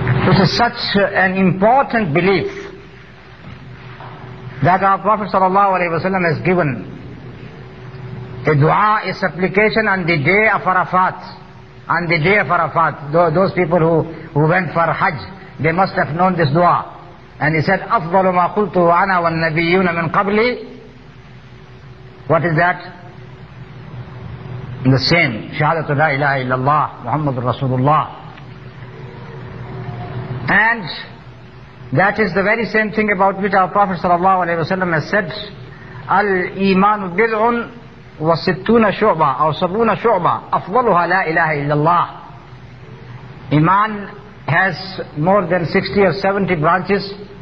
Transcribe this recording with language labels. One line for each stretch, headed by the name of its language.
English: This is such an important belief that our Prophet sallallahu alaihi wasallam has given. A dua is supplication on the day of Arafat. On the day of Arafat, those people who went for Hajj, they must have known this dua.
Arabic: And he said, أَفْضَلُ مَا قُلْتُ عَنَا وَالنَّبِيُّونَ مِنْ قَبْلِي.
English: What is that? The same.
Arabic: شهادت لا إله إلا الله محمد رسول الله.
English: And that is the very same thing about which our Prophet sallallahu alaihi wasallam has said,
Arabic: الإيمان بضع وستون شعبة أو سبعون شعبة أفضلها لا إله إلا الله.
English: Iman has more than 60 or 70 branches.